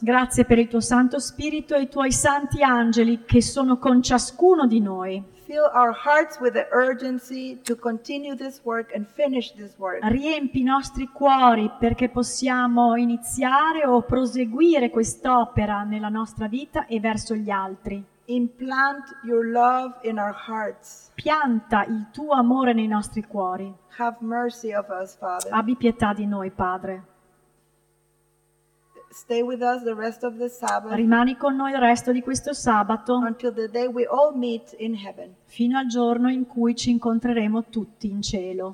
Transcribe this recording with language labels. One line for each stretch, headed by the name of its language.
Italian: Grazie per il tuo Santo Spirito e i tuoi santi angeli che sono con ciascuno di noi.
English: Fill our hearts with the urgency to continue this work and finish this work.
Italian: Riempi i nostri cuori perché possiamo iniziare o proseguire quest'opera nella nostra vita e verso gli altri.
English: Implant your love in our hearts.
Italian: Pianta il tuo amore nei nostri cuori.
English: Have mercy of us, Father.
Italian: Abbi pietà di noi, Padre.
English: Stay with us the rest of the Sabbath.
Italian: Rimani con noi il resto di questo sabato.
English: Until the day we all meet in heaven.
Italian: Fino al giorno in cui ci incontreremo tutti in cielo.